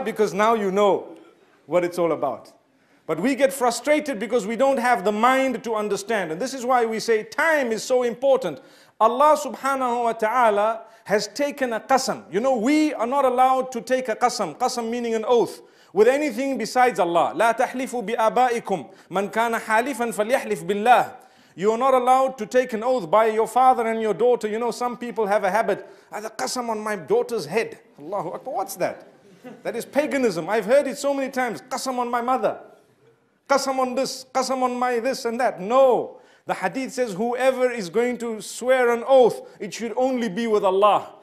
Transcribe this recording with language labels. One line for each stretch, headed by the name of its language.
English: Because now you know what it's all about. But we get frustrated because we don't have the mind to understand. And this is why we say time is so important. Allah subhanahu wa ta'ala has taken a qasam. You know, we are not allowed to take a qasam. Qasam meaning an oath. With anything besides Allah.
Arabic: لا تحلفوا بآبائكم من كان حالفا فليحلف بالله.
English: You are not allowed to take an oath by your father and your daughter. You know, some people have a habit. I have a qasam on my daughter's head. Allahu Akbar, what's that? That is paganism. I've heard it so many times. Qasam on my mother. Qasam on this. Qasam on my this and that. No. The hadith says whoever is going to swear an oath, it should only be with Allah.